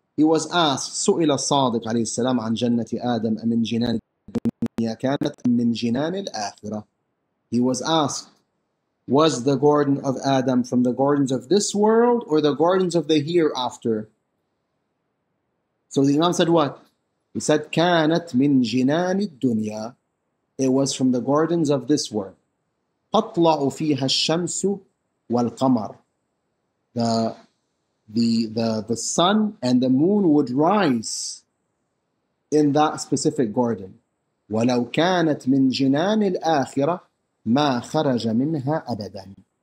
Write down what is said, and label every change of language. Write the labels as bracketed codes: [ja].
[en] He was asked, [ar] سُئِلَ الصَّادِقُ عَلَيْهِ السَّلَامُ عَنْ جَنَّةِ آدَمَ أَمِنْ جِنَانِ الدُّنْيَا كَانَتْ مِنْ جِنَانِ الْآخِرَةِ. [en] He was asked, was the garden of Adam from the gardens of this world or the gardens of the hereafter? So the Imam said what? He said, [ar] كَانَتْ مِنْ جِنَانِ الدُّنْيَا. [en] It was from the gardens of this world. [ar] تَطْلَعُ فِيهَا الشَّمْسُ وَالْقَمَرُ. [en] The sun and the moon would rise in that specific garden. [ar] وَلَوْ كَانَتْ مِنْ جِنَانِ الْآخِرَةِ مَا خَرَجَ مِنْهَا أَبَدًا.